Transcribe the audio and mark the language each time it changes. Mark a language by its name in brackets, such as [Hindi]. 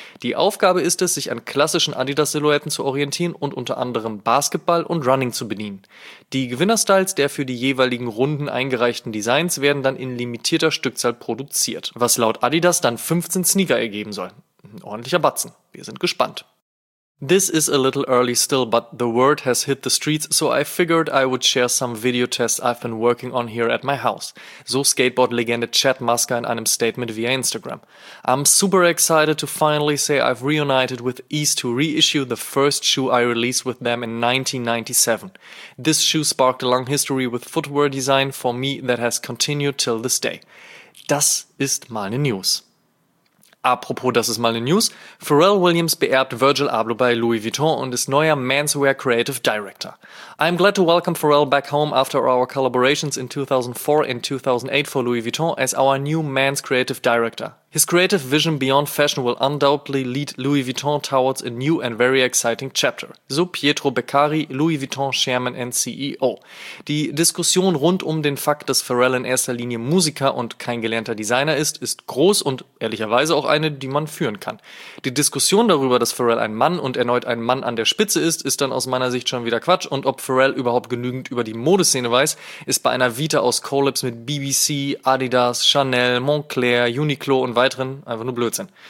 [German] Die Aufgabe ist es, sich an klassischen Adidas-Silhouetten zu orientieren und unter anderem Basketball und Running zu bedienen. Die Gewinnerstyles der für die jeweiligen Runden eingereichten Designs werden dann in limitierter Stückzahl produziert, was laut Adidas dann 15 Sneaker ergeben soll. Ein ordentlicher Batzen. Wir sind gespannt. [English] This is a little early still, but the word has hit the streets, so I figured I would share some video tests I've been working on here at my house. [German] So Skateboard-Legende Chad Muska in einem Statement via Instagram. [English] I'm super excited to finally say I've reunited with East to reissue the first shoe I released with them in 1997. This shoe sparked a long history with footwear design for me that has continued till this day. [German] Das ist mal eine News. Apropos, das ist mal eine News. Pharrell Williams beerbt Virgil Abloh bei Louis Vuitton und ist neuer Menswear Creative Director. [English] I'm glad to welcome Pharrell back home after our collaborations in 2004 and 2008 for Louis Vuitton as our new Men's Creative Director. His creative vision beyond fashion will undoubtedly lead Louis Vuitton towards a new and very exciting chapter. [German] So Pietro Beccari, Louis Vuitton Chairman and CEO. Die Diskussion rund um den Fakt, dass Pharrell in erster Linie Musiker und kein gelernter Designer ist, ist groß und ehrlicherweise auch eine, die man führen kann. Die Diskussion darüber, dass Pharrell ein Mann und erneut ein Mann an der Spitze ist, ist dann aus meiner Sicht schon wieder Quatsch. Und ob Pharrell überhaupt genügend über die Modeszene weiß, ist bei einer Vita aus Collabs mit BBC, Adidas, Chanel, Moncler, Uniqlo und weiteren einfach nur Blödsinn.